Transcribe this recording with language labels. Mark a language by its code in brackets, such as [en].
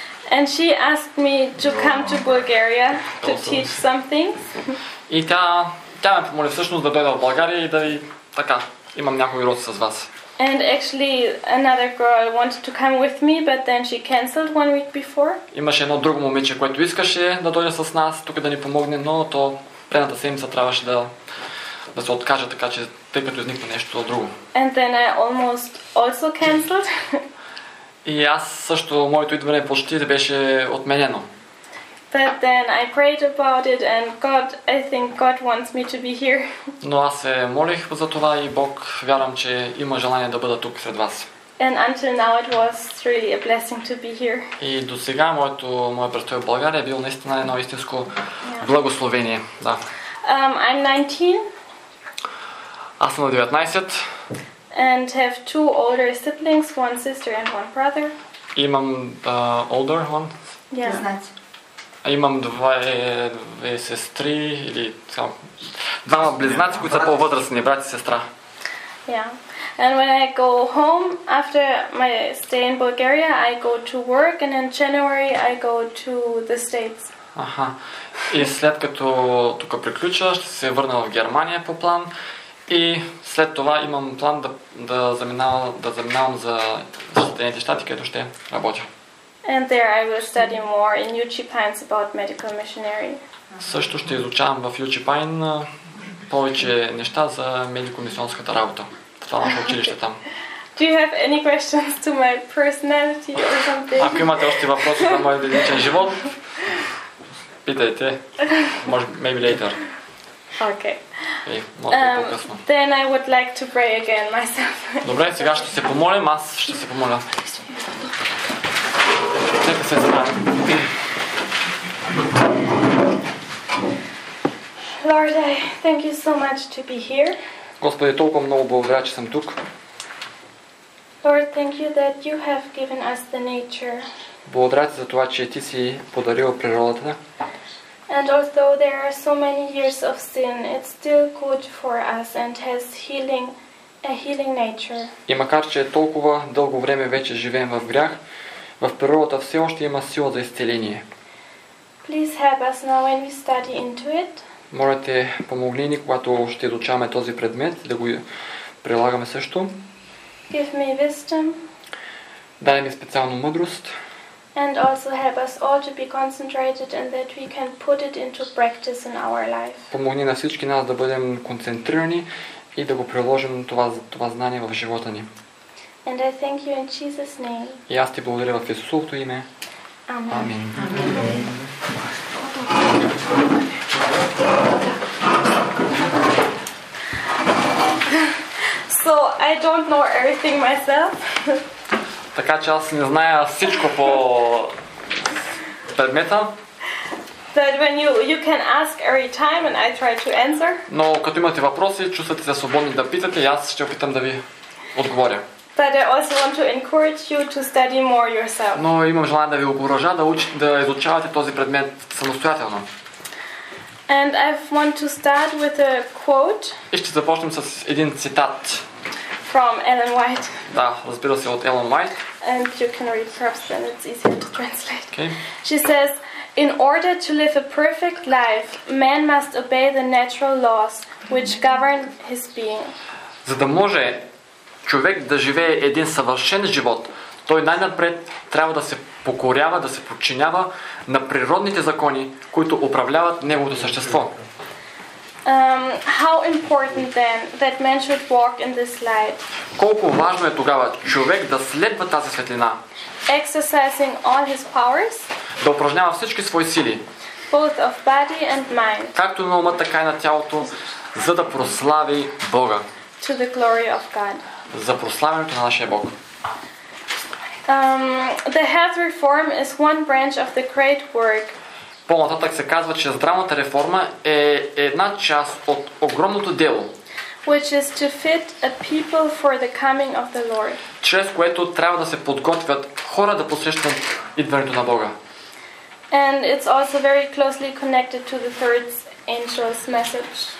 [en] And she asked me to come to Bulgaria to teach some things. [bg] И тя ме помоли всъщност да дойда в България и да ви така имам някои уроци с вас. [en] And actually another girl wanted to come with me, but then she cancelled one week before. [bg] Имаше едно друго момиче, което искаше да дойде с нас тук да ни помогне, но то предната седмица трябваше да се откаже, така че тъй като изникна нещо друго. [en] And then I almost also cancelled. [bg] И аз също, моето идване почти да беше отменено. [en] But then I prayed about it and God, I think God wants me to be here. [bg] Но аз се молих за това и Бог вярвам, че има желание да бъда тук сред вас. [en] And until now it was really a blessing to be here. [bg] И до сега моя престой в България е бил наистина едно истинско благословение. Да. [en] I'm 19. [bg] Аз съм на 19. [en] And have two older siblings, one sister and one brother. [bg] Имам [en] older one. Yes, that. [bg] Имам две сестри или двама близнаци, които са по-възрастни, брат и сестра. [en] Yeah. And when I go home after my stay in Bulgaria, I go to work and in January I go to the States. [bg] Аха. И след като тук приключа, ще се върна в Германия по план. И след това имам план да заминавам за Съединените щати, където ще работя. [en] And there I will study more in UChipines about medical missionary. [bg] Също ще изучавам в UChipine повече неща за медико-мисионската работа. Това наше училище там. [en] Do you have any questions to my personality or something? [bg] Ако имате още въпроси за моят личен живот, питайте. Може, [en] maybe later. Okay. Hey, then I would like to pray again myself. [bg] Добре, сега ще се помолим, аз ще се помоля. Нека се забравя. [en] Lord, I thank you so much to be here. [bg] Господи, толкова много благодаря, че съм тук. [en] Lord, thank you that you have given us the nature. [bg] Благодаря ти за това, че ти си подарил природата. [en] And although there are so many years of sin, it's still good for us and has healing, a healing nature. [bg] И макар че толкова дълго време вече живеем в грях, в природата все още има сила за изцеление. [en] Please help us now when we study into it. [bg] Моля те, помогни ни, когато ще изучаваме този предмет, да го прилагаме също. [en] Give me wisdom. [bg] Дай ми специално мъдрост. [en] And also help us all to be concentrated and that we can put it into practice in our life. [bg] Помогни на всички нас да бъдем концентрирани и да го приложим това знание в живота ни. [en] And I thank you in Jesus' name. [bg] И аз ти благодаря в Исусовото име. Амин. [en] So I don't know everything myself. [bg] Така че аз не зная всичко по предмета. [en] But when you can ask every time and I try to answer. [bg] Но като имате въпроси, чувствате се свободни да питате, и аз ще опитам да ви отговоря. [en] But I also want to encourage you to study more yourself. [bg] Но имам желание да ви окуража да изучавате този предмет самостоятелно. [en] And I want to start with a quote. [bg] И ще започнем с един цитат. [en] From Ellen White. [bg] Да, разбира се, от Ellen White. [en] And you can read first, then it's easier to translate. Okay. She says, in order to live a perfect life, man must obey the natural laws which govern his being. [bg] За да може човек да живее един съвършен живот, той най-напред трябва да се покорява, да се подчинява на природните закони, които управляват неговото същество. [en] How important then that man should walk in this light? [bg] Колко важно е тогава човек да следва тази светлина? [en] Exercising all his powers? [bg] Да упражнява всички свои сили. [en] Both of body and mind. [bg] Както на ума, така и на тялото, за да прослави Бога. [en] To the glory of God. [bg] За прославянето на нашия Бог. [en] The health reform is one branch of the great work. [bg] По-нататък се казва, че здравната реформа е една част от огромното дело. [en] Which is to fit a people for the coming of the Lord. [bg] Чрез което трябва да се подготвят хора да посрещнат идването на Бога. [en] And it's also very closely connected to the third angel's message.